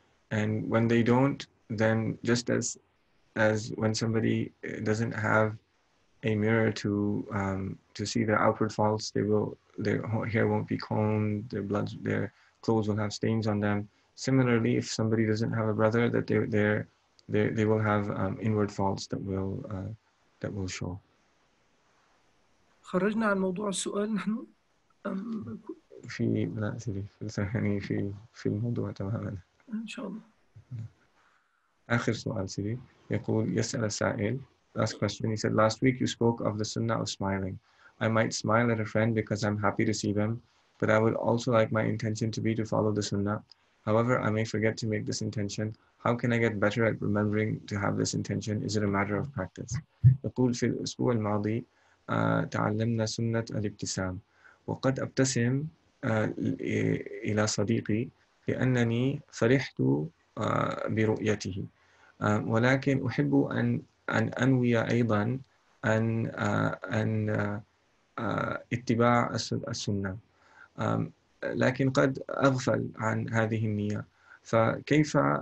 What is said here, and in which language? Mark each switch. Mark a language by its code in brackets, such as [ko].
[en] And when they don't, then just as when somebody doesn't have a mirror to see their outward faults, their hair won't be combed, their clothes will have stains on them. Similarly, if somebody doesn't have a brother, that they will have inward faults that will show. [ar] خرجنا عن موضوع السؤال نحن في لا سيدي في الثاني في الموضوع تماما ان شاء الله. اخر سؤال سيدي يقول يسال السائل [en] last question. He said, last week you spoke of the sunnah of smiling. I might smile at a friend because I'm happy to see them, but I would also like my intention to be to follow the sunnah. However, I may forget to make this intention. How can I get better at remembering to have this intention? Is it a matter of practice? [ar] يقول في الاسبوع الماضي تعلمنا سنة الابتسام وقد ابتسم إلى صديقي لأنني فرحت برؤيته ولكن أحب أن أنوي أيضا أن اتباع السنة لكن قد أغفل عن هذه النية فكيف